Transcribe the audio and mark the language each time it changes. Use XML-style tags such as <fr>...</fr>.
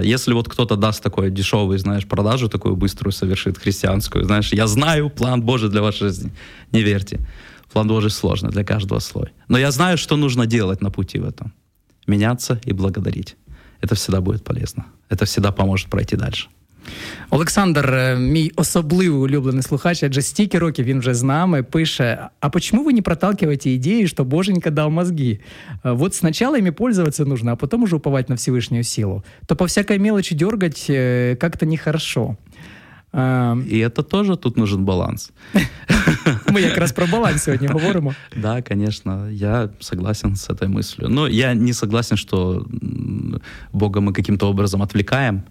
<ru>Если вот кто-то даст такую дешевую, знаешь, продажу такую быструю совершит, христианскую, знаешь, я знаю план Божий для вашей жизни. Не верьте. План Божий сложный для каждого слоя. Но я знаю, что нужно делать на пути в этом. Меняться и благодарить. Это всегда будет полезно. Это всегда поможет пройти дальше.</ru> <uk>Олександр, мій особливий улюблений слухач, адже стільки років він вже з нами, пише,</uk> <ru>а почему вы не проталкиваете идею, что Боженька дал мозги? Вот сначала ими пользоваться нужно, а потом уже уповать на Всевышнюю силу. То по всякой мелочи дергать как-то нехорошо. И это тоже тут нужен баланс. Мы как раз про баланс сегодня говорим. Да, конечно, я согласен с этой мыслью. Но я не согласен, что Бога мы каким-то образом отвлекаем.</ru>